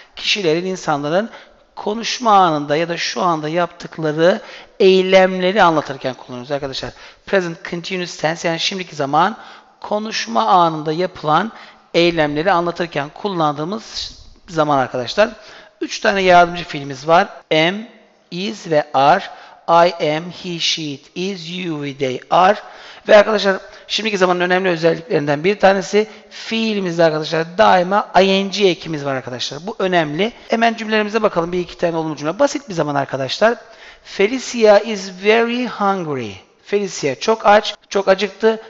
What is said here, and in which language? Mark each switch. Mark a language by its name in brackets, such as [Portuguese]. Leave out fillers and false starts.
[Turkish] Kişilerin, insanların konuşma anında ya da şu anda yaptıkları eylemleri anlatırken kullanıyoruz arkadaşlar. [English] Present continuous tense [Turkish] yani şimdiki zaman konuşma anında yapılan eylemleri anlatırken kullandığımız zaman arkadaşlar. 3 tane yardımcı fiilimiz var. [English] Am, is ve are. I am, he, she, it is, you, we, they are. [Turkish] Ve arkadaşlar şimdiki zamanın önemli özelliklerinden bir tanesi fiilimizde arkadaşlar daima ing ekimiz var arkadaşlar. Bu önemli. Hemen cümlelerimize bakalım. Bir iki tane olumlu cümle. Basit bir zaman arkadaşlar. [English] Felicia is very hungry. [Turkish] Felicia çok aç, çok acıktı.